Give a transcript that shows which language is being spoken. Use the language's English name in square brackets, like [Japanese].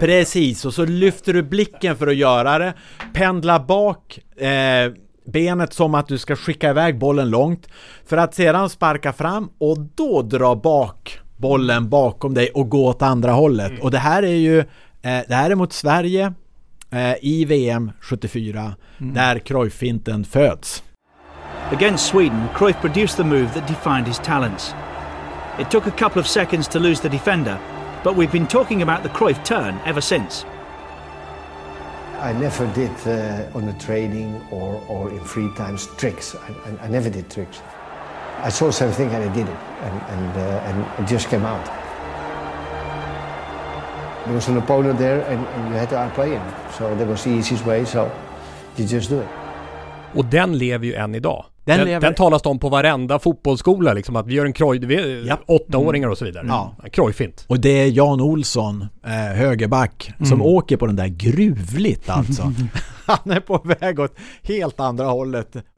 [Swedish] Precis, och så lyfter du blicken för att göra det. Pendla bak benet som att du ska skicka iväg bollen långt. För att sedan sparka fram och då dra bak bollen bakom dig och gå åt andra hållet. Och det här är ju, det här är mot Sverige i VM 74, där Cruyff-finten föds. [English] Against Sweden, Cruyff produced the move that defined his talents. It took a couple of seconds to lose the defender, but we've been talking about the Cruyff turn ever since. I never did on the training or in free times tricks. I never did tricks. I saw something and I did it, and it just came out. There was an opponent there, and you had to outplay him. So there was the easiest way, so you just do it. [Swedish] Och den lever ju än idag. Den talas om på varenda fotbollsskola, liksom, att vi gör en Cruyff, vi är 8-åringar och så vidare. Ja. Cruyff-fint. Och det är Jan Olsson, högerback, som åker på den där gruvligt alltså. Han är på väg åt helt andra hållet.